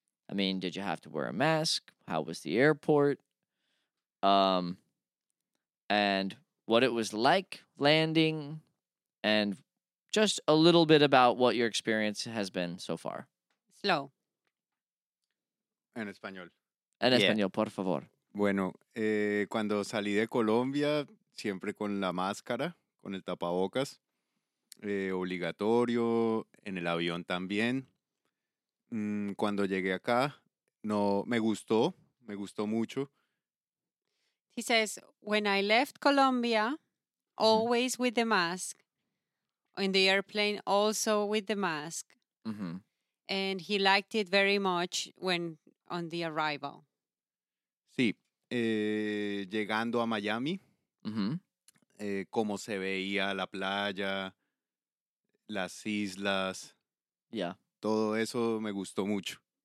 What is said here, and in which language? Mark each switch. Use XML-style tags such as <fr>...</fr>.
<en>I mean, did you have to wear a mask? How was the airport? And what it was like landing, and just a little bit about what your experience has been so far. Slow.</en> <es>En español. En español, por favor. Bueno, cuando salí de Colombia, siempre con la máscara, con el tapabocas, obligatorio, en el avión también. Cuando llegué acá, no, me gustó mucho.</es> <en>He says, when I left Colombia, always with the mask, in the airplane also with the mask. Mm-hmm. And he liked it very much when on the arrival.</en> <es>Sí, llegando a Miami, como se veía la playa, las islas, todo eso me gustó mucho.</es>